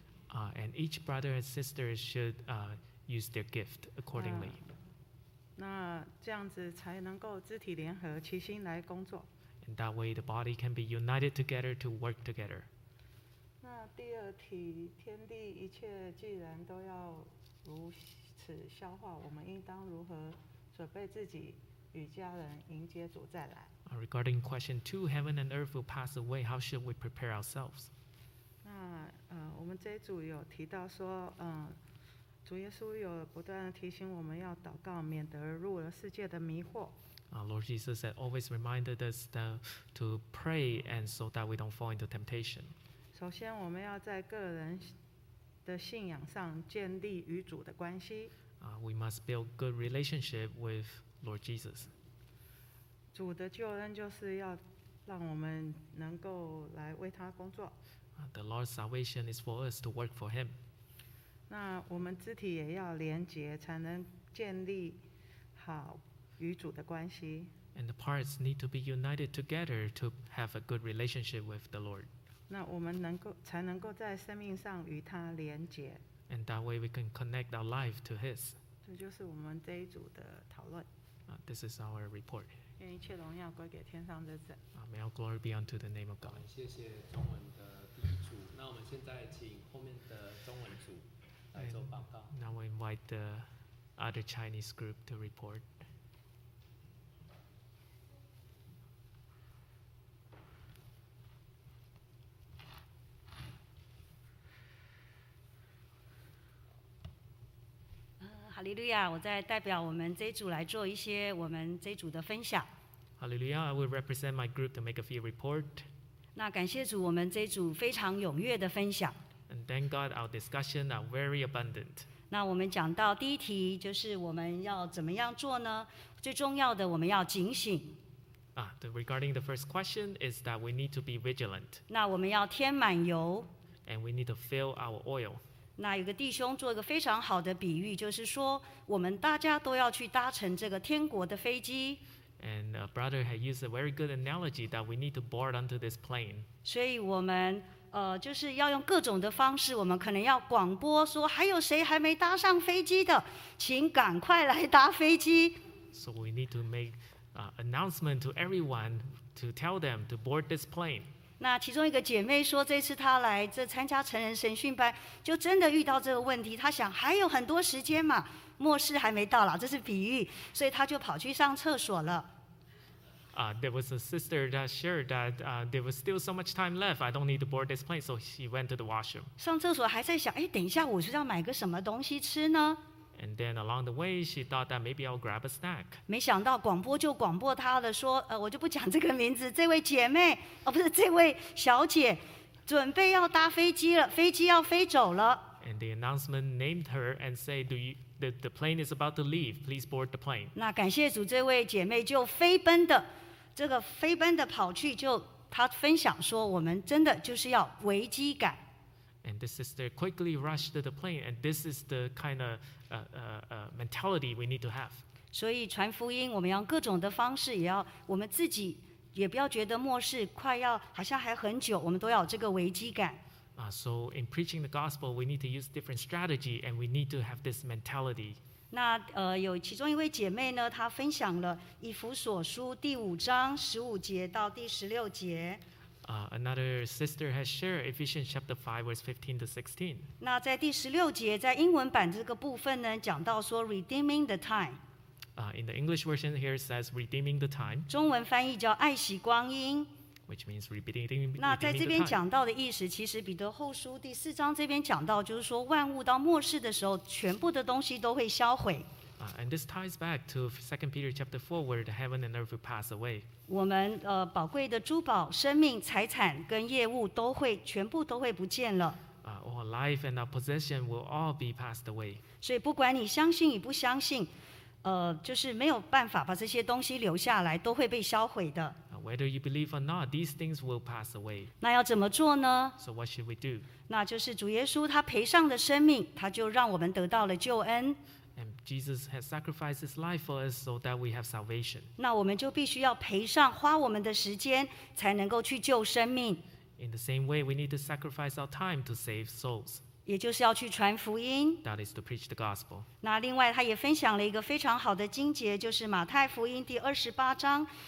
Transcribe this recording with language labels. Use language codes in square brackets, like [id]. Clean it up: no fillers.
[en] And each brother and sister should use their gift accordingly. [zh] 那这样子才能够肢体联合，齐心来工作。 [en] And that way the body can be united together to work together. [zh] 那第二题，天地一切既然都要如此消化，我们应当如何准备自己与家人迎接主再来？ [en] Regarding question two, heaven and earth will pass away. How should we prepare ourselves? [zh] 那我们这一组有提到说，主耶稣有不断的提醒我们要祷告，免得入了世界的迷惑。 [en] Lord Jesus had always reminded us to pray, and so that we don't fall into temptation. [zh] 首先，我们要在个人的信仰上建立与主的关系。 [en] We must build good relationship with Lord Jesus. [zh] 主的救恩就是要让我们能够来为他工作。 [en] The Lord's salvation is for us to work for Him. [zh] 那我们肢体也要连结，才能建立好与主的关系。 [en] And the parts need to be united together to have a good relationship with the Lord. [zh] 那我们能够才能够在生命上与他连结。 [en] And that way we can connect our life to His. [zh] 这就是我们这一组的讨论。 [en] This is our report. [zh] 愿一切荣耀归给天上的神。 [en] May all glory be unto the name of God. [zh] 谢谢中文的第一组。那我们现在请后面的中文组来做报告。 [en] Now we invite the other Chinese group to report. [zh] 哈利路亚！我在代表我们这一组来做一些我们这一组的分享。哈利路亚 [en] ！I will represent my group to make a few report. [zh] 那感谢主，我们这一组非常踊跃的分享。 [en] And thank God, our discussion are very abundant. [zh] 那我们讲到第一题，就是我们要怎么样做呢？最重要的，我们要警醒。 [en] Regarding the first question is that we need to be vigilant. [zh] 那我们要添满油。 [en] And we need to fill our oil. [zh] 那有个弟兄做一个非常好的比喻，就是说我们大家都要去搭乘这个天国的飞机。 [en] And a brother had used a very good analogy that we need to board onto this plane. [zh] 所以我们就是要用各种的方式，我们可能要广播说，还有谁还没搭上飞机的，请赶快来搭飞机。 [en] So we need to make announcement to everyone to tell them to board this plane. [zh] 那其中一个姐妹说，这次她来这参加成人神训班，就真的遇到这个问题。她想还有很多时间嘛，末世还没到了，这是比喻，所以她就跑去上厕所了。 [en] There was a sister that shared that there was still so much time left. I don't need to board this plane, so she went to the washroom. [zh] 上厕所还在想，哎，等一下我是要买个什么东西吃呢？ [en] And then along the way, she thought that maybe I'll grab a snack. [zh] 没想到广播就广播她了，说，我就不讲这个名字，这位姐妹，哦，不是，这位小姐，准备要搭飞机了，飞机要飞走了。 [en] And the announcement named her and said, the plane is about to leave, please board the plane. [zh] 那感谢主，这位姐妹就飞奔的，这个飞奔的跑去，就她分享说，我们真的就是要危机感。 [en] And the sister quickly rushed to the plane, and this is the kind of mentality we need to have. [zh] 所以传福音，我们要各种的方式，也要我们自己也不要觉得末世快要好像还很久，我们都要有这个危机感。 [en] So in preaching the gospel, we need to use different strategy, and we need to have this mentality. [zh] 那有其中一位姐妹呢，她分享了以弗所书第五章十五节到第十六节。 [en] Another sister has shared Ephesians chapter 5, verse 15 to 16. [zh] 那在第十六节，在英文版这个部分呢，讲到说 [en] redeeming the time. In the English version here says redeeming the time. [zh] 中文翻译叫爱惜光阴。 [en] Which means redeeming the time. [zh] 那在这边讲到的意思，其实彼得后书第四章这边讲到，就是说万物到末世的时候，全部的东西都会销毁。 [en] And this ties back to 2 Peter chapter 4, where the heaven and earth will pass away. [zh] 我们宝贵的珠宝、生命、财产跟业务都会全部都会不见了。 [en] Our life and our possession will all be passed away. [zh] 所以不管你相信与不相信，就是没有办法把这些东西留下来，都会被销毁的。 [en] Whether you believe or not, these things will pass away. [zh] 那要怎么做呢？ [en] So what should we do? [zh] 那就是主耶稣他赔上的生命，他就让我们得到了救恩。 [en] And Jesus has sacrificed his life for us so that we have salvation. [zh] 那我们就必须要赔上花我们的时间才能够去救生命。 [en] In the same way, we need to sacrifice our time to save souls. [zh] 也就是要去传福音。 [en] That is to preach the gospel. [zh] 那另外他也分享了一个非常好的经节，就是马太福音第28:19-20。